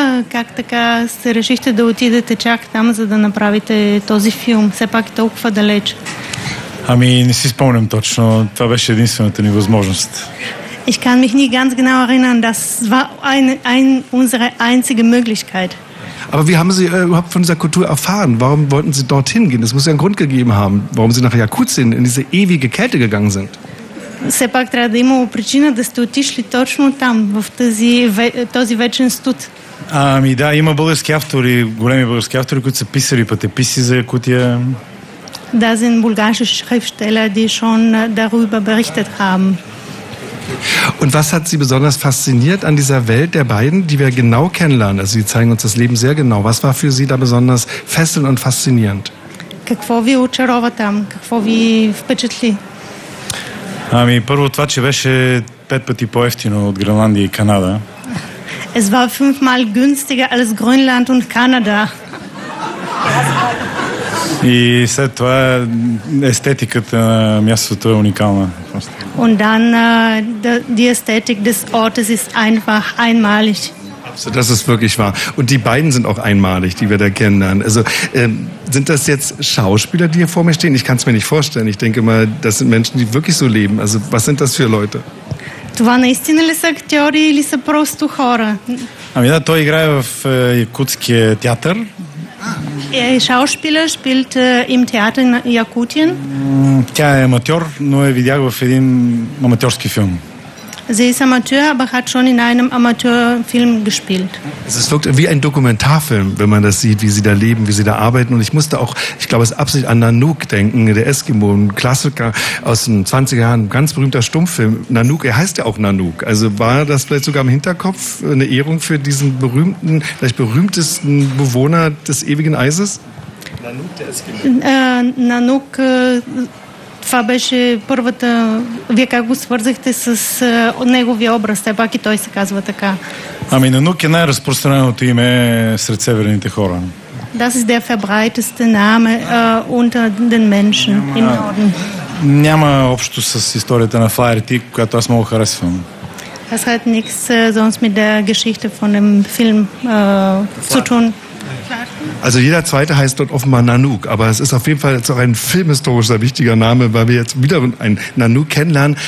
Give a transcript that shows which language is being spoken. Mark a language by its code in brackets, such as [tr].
[bg] Как така се решихте да отидете чак там, за да направите този филм? Все пак е толкова далеч. Ами, не си спомням точно. Това беше единствената ни възможност. [de] Ich kann mich nicht ganz genau erinnern, das war unsere einzige Möglichkeit. Aber wie haben Sie überhaupt von dieser Kultur erfahren? Warum wollten Sie dorthin gehen? Das muss ja einen Grund gegeben haben, warum Sie nach Jakutien in diese ewige Kälte gegangen sind. [bg] Все пак трябва да има причина да сте отишли точно там, в този вечен студ. Ами да, има български автори, големи български автори, които са писали пътеписи за Якутия. [de] Da sind bulgarische Schriftsteller, die schon darüber berichtet haben. Und was hat Sie besonders fasziniert an dieser Welt der beiden, die wir genau kennenlernen? Also Sie zeigen uns das Leben sehr genau. Was war für Sie da besonders fesselnd und faszinierend? [bg] Какво ви очарова там? Какво ви впечатли? Ами първо това, че беше пет пъти по-евтино от Гренландия и Канада. [de] Es war fünfmal günstiger als Grönland und Kanada. [bg] И след това естетиката на мястото е уникална. [de] Und dann die Ästhetik des Ortes ist einfach einmalig. So, das ist wirklich wahr. Und die beiden sind auch einmalig, die wir da kennenlernen. Also sind das jetzt Schauspieler, die hier vor mir stehen? Ich kann es mir nicht vorstellen. Ich denke mal, das sind Menschen, die wirklich so leben. Also was sind das für Leute? [bg] Това наистина ли са актьори или са просто хора? Ами да, той играе в якутския театър. [de] Schauspieler spielt im Theater in Jakutien. [bg] Тя е аматьор, но я видях в един аматьорски филм. [de] Sie ist Amateur, aber hat schon in einem Amateurfilm gespielt. Es wirkt wie ein Dokumentarfilm, wenn man das sieht, wie sie da leben, wie sie da arbeiten. Und ich musste auch, ich glaube, es ist absichtlich an Nanook denken, der Eskimo, ein Klassiker aus den 20er Jahren, ein ganz berühmter Stummfilm. Nanook, er heißt ja auch Nanook. Also war das vielleicht sogar im Hinterkopf eine Ehrung für diesen berühmten, vielleicht berühmtesten Bewohner des ewigen Eises? Nanook, der Eskimo. [bg] Nanook. Това беше първата... Вие как го свързахте с неговия образ? Те пак и той се казва така. Ами Нанук е най-разпространеното име сред северните хора. [de] Das ist der verbreiteste Name unter den Menschen im Norden. [bg] Няма общо с историята на Flyer T, която аз много харесвам. [de] Das hat nichts sonst mit der Geschichte von dem Film zu tun. Also jeder zweite heißt dort offenbar Nanook, aber es ist auf jeden Fall jetzt auch ein filmhistorischer wichtiger Name, weil wir jetzt wieder einen Nanook kennenlernen.